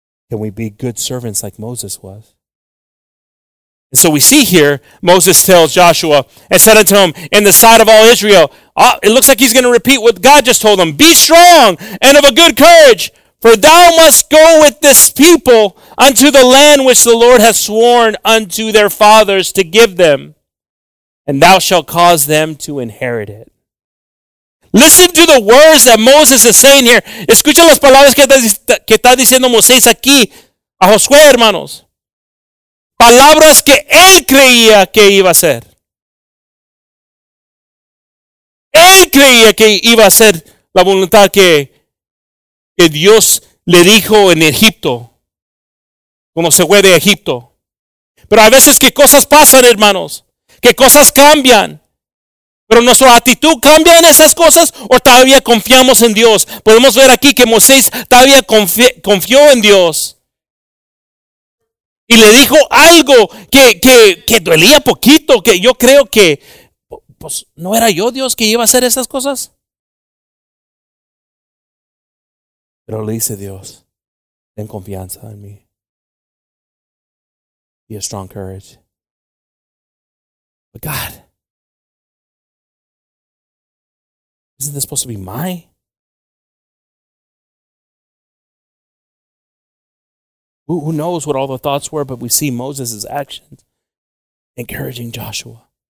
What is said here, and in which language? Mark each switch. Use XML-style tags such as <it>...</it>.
<en>Can we be good servants like Moses was? And so we see here, Moses tells Joshua and said unto him, in the sight of all Israel, it looks like he's going to repeat what God just told him. Be strong and of a good courage, for thou must go with this people unto the land which the Lord has sworn unto their fathers to give them, and thou shalt cause them to inherit it. Listen to the words that Moses is saying here.</en> <es>Escucha las palabras que está diciendo Moisés aquí a Josué, hermanos. Palabras que él creía que iba a hacer. Él creía que iba a hacer la voluntad que Dios le dijo en Egipto. Cuando se fue de Egipto. Pero a veces que cosas pasan, hermanos. Que cosas cambian. Pero nuestra actitud cambia en esas cosas o todavía confiamos en Dios. Podemos ver aquí que Moisés todavía confió en Dios. Y le dijo algo que dolía poquito, que yo creo que, pues, ¿no era yo Dios que iba a hacer esas cosas? Pero le dice Dios, ten confianza en mí.</es> <en>Be a strong courage. But God, isn't this supposed to be my? Who knows what all the thoughts were, but we see Moses' actions encouraging Joshua.</en>